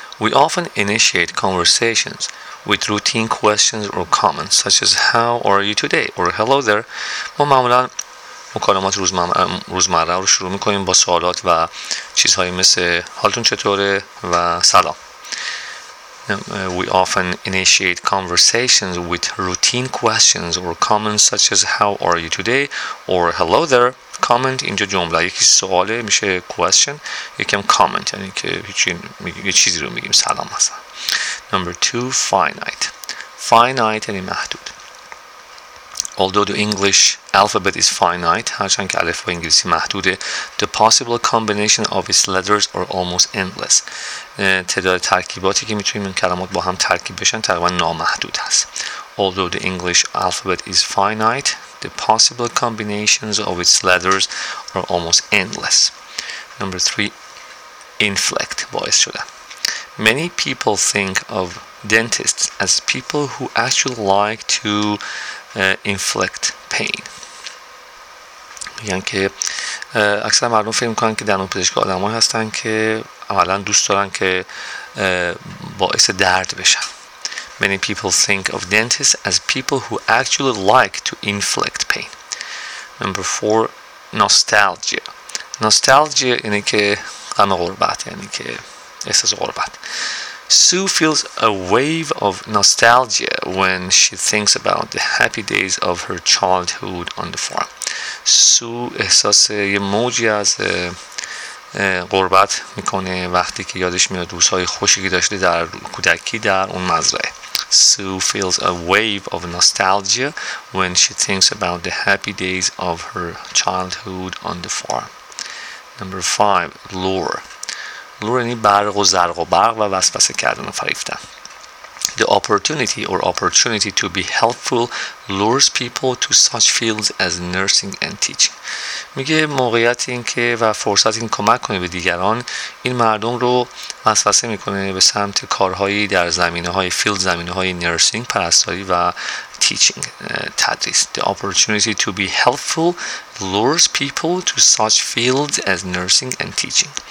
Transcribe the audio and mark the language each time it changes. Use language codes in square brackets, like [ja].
[en] We often initiate conversations with routine questions or comments such as how are you today or hello there. [fa] ما معمولا مکالمات روزمره رو شروع میکنیم با سوالات و چیزهایی مثل حالتون چطوره و سلام. [en] We often initiate conversations with routine questions or comments such as how are you today or hello there. [fa] Comment اینجا جمله یکی سواله میشه question یکم comment یعنی که یه چیزی رو میگیم سلام مثلا. [en] Number two, finite [fa] یعنی محدود. [en] Although the English alphabet is finite, [fa] هرچند که الفبای انگلیسی محدوده, [en] the possible combination of its letters are almost endless. [fa] تعداد ترکیباتی که میتونیم این کلمات با هم ترکیب بشن تقریبا نامحدود هست. [en] Although the English alphabet is finite, the possible combinations of its letters are almost endless. Number three, inflect, [fa] باعث شده. [en] Many people think of dentists as people who actually like to inflict pain. [fa] میگن که اکثر مردم فکر میکنن که دندون پزشک آدمایی هستن که اولا دوست دارن که باعث درد بشن. [en] Many people think of dentists as people who actually like to inflict pain. Number four, nostalgia. Nostalgia [fa] یعنی که غم غربت یعنی که احساس غربت. [en] Sue feels a wave of nostalgia when she thinks about the happy days of her childhood on the farm. [fa] Sue احساس یه موجی از غربت میکنه وقتی که یادش میاد روزهای خوشی که داشته در کودکی در اون مزرعه. [en] Sue feels a wave of nostalgia when she thinks about the happy days of her childhood on the farm. Number five, lure. [fa] Lure یعنی برق و زرق و برق و وسوسه کردن و فریفتن. [en] The opportunity or opportunity to be helpful lures people to such fields as nursing and teaching. [fa] میگه موقعیت این که و فرصت این کمک کنه به دیگران این مردم رو وسوسه میکنه به سمت کارهایی در زمینه‌های فیلد زمینه‌های نرسینگ پرستاری و teaching تدریس. [en] The opportunity to be helpful lures people to such fields as nursing and teaching.